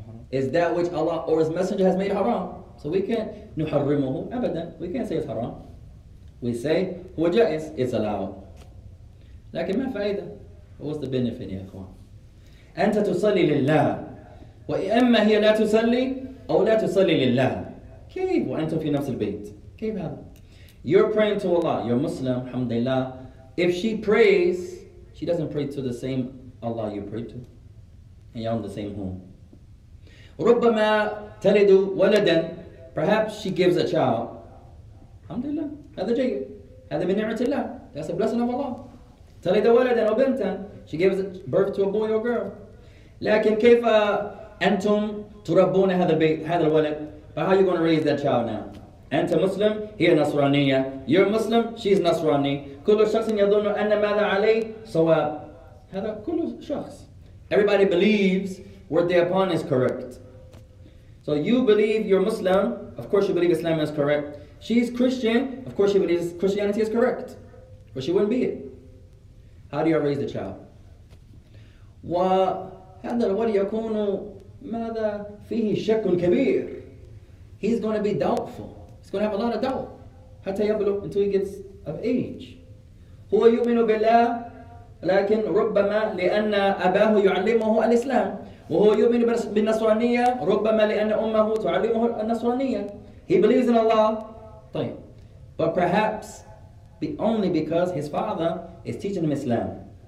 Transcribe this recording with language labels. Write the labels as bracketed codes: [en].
[en] Is that which Allah or His Messenger has made haram. So we can't [ar] نحرمه أبدا. [en] We can't say it's haram. We say [ar] هو جائز. [en] It's allowed. [ar] لكن ما فائدة؟ [en] What's the benefit, [ar] يا إخوان؟ أنت تصلي لله وإما هي لا تصلي أو لا تصلي لله كيف؟ وأنتم في نفس البيت كيف هذا؟ [en] You're praying to Allah, you're Muslim, [ar] الحمد لله. [en] If she prays, she doesn't pray to the same Allah you pray to, and you're on the same home. [ar] ربما تلد ولدا, [en] perhaps she gives a child, [ar] الحمد لله, هذا جيد, هذا من نعمة الله, [en] that's a blessing of Allah. [ar] تلد ولدا أو بنتا. [en] She gives birth to a boy or girl. [ar] لكن كيف أنتم تربون هذا البيت, هذا الولد. [en] But how are you going to raise that child now? [ar] أنت مسلم, هي نصرانية. [en] You're Muslim, she's نصراني. [ar] كل شخص يظن أن ماذا عليه صواب. هذا كل شخص. [en] Everybody believes what they upon is correct. So you believe you're Muslim, of course you believe Islam is correct. She's Christian, of course she believes Christianity is correct. Or she wouldn't be it. How do you raise the child? [ar] وهذا الولد يكون ماذا فيه شك كبير. [en] He's going to be doubtful. He's going to have a lot of doubt. [ar] حتى يبلغ [en] until he gets of age. [ar] هو يؤمن بالله لكن ربما لأن أباه يعلمه الإسلام وهو يؤمن بالنصرانية ربما لأن أمه تعلمه النصرانية [en] He believes in Allah [ar] طيب [en] But perhaps only because his father is teaching him Islam